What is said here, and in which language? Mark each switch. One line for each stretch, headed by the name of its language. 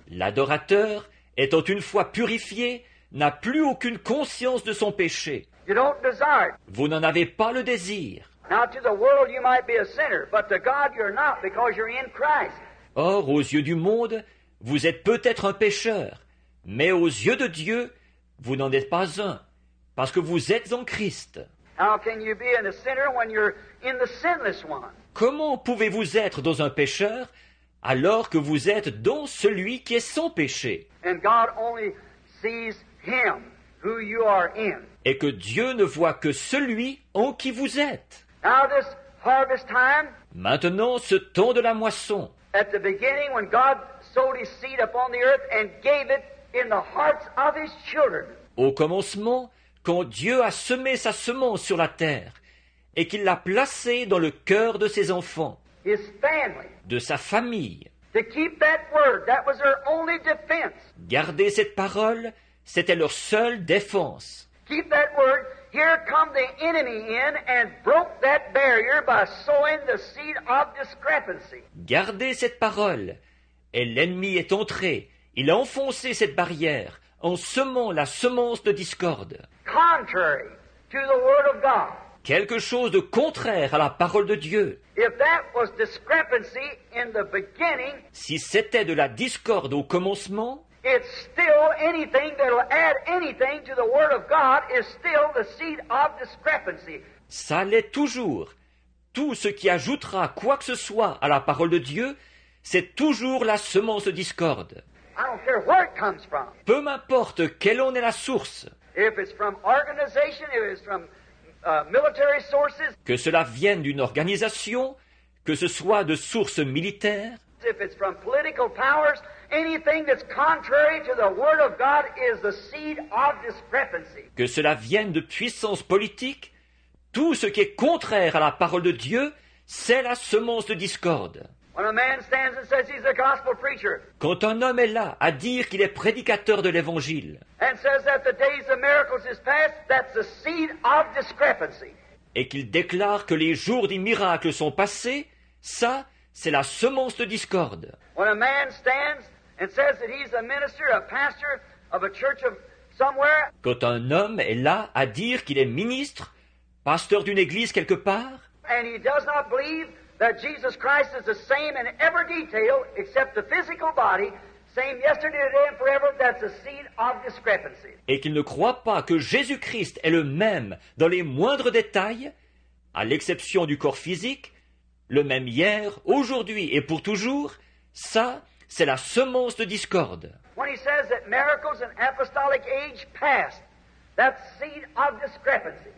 French: L'adorateur, étant une fois purifié, n'a plus aucune conscience de son péché.
English: You don't desire it.
French: Vous n'en avez pas le désir.
English: Now to the world you might be a sinner, but to God you're not, because you're in Christ.
French: Or, aux yeux du monde, vous êtes peut-être un pécheur, mais aux yeux de Dieu, vous n'en êtes pas un, parce que vous êtes en Christ.
English: How can you be in a sinner when you're in the sinless one?
French: Comment pouvez-vous être dans un pécheur alors que vous êtes dans celui qui est sans péché?
English: And God only sees him who you are in.
French: Et que Dieu ne voit que celui en qui vous êtes.
English: Now this harvest time,
French: maintenant, ce temps de la moisson,
English: at the beginning when God sowed his seed upon the earth and gave it in the hearts of his children.
French: Au commencement, quand Dieu a semé sa semence sur la terre et qu'il l'a placée dans le cœur de ses enfants,
English: his family,
French: de sa famille,
English: to keep that word, that was their only defense.
French: Garder cette parole, c'était leur seule défense.
English: Keep that word. Here come the enemy in and broke that barrier by sowing the seed of discrepancy.
French: Gardez cette parole. Et l'ennemi est entré. Il a enfoncé cette barrière en semant la semence de discorde.
English: Contrary to the word of God.
French: Quelque chose de contraire à la parole de Dieu.
English: If that was discrepancy in the beginning,
French: si c'était de la discorde au commencement,
English: it's still anything that'll add anything to the word of God is still the seed of discrepancy.
French: Ça l'est toujours. Tout ce qui ajoutera quoi que ce soit à la parole de Dieu, c'est toujours la semence de discorde.
English: I don't care where it comes from.
French: Peu m'importe quelle en est la source.
English: If it's from organization, if it's from military sources.
French: Que cela vienne d'une organisation, que ce soit de sources militaires.
English: If it's from political powers, anything that's contrary to the word of God is the seed of discrepancy.
French: Que cela vienne de puissance politique, tout ce qui est contraire à la parole de Dieu, c'est la semence de discorde.
English: When a man stands and says he's a gospel preacher,
French: quand un homme est là à dire qu'il est prédicateur de l'évangile,
English: and says that the days of miracles is past, that's the seed of discrepancy.
French: Et qu'il déclare que les jours des miracles sont passés, ça, c'est la semence de discorde.
English: When a man stands and says that he's a minister, a pastor of a church of somewhere,
French: quand un homme est là à dire qu'il est ministre, pasteur d'une église quelque part,
English: and he does not believe that Jesus Christ is the same in every detail except the physical body, same yesterday, today and forever, that's the seed of discrepancy.
French: Et qu'il ne croit pas que Jésus-Christ est le même dans les moindres détails, à l'exception du corps physique, le même hier, aujourd'hui et pour toujours, ça, c'est la semence de discorde.
English: When he says that miracles in apostolic age passed, that's seed of discrepancy.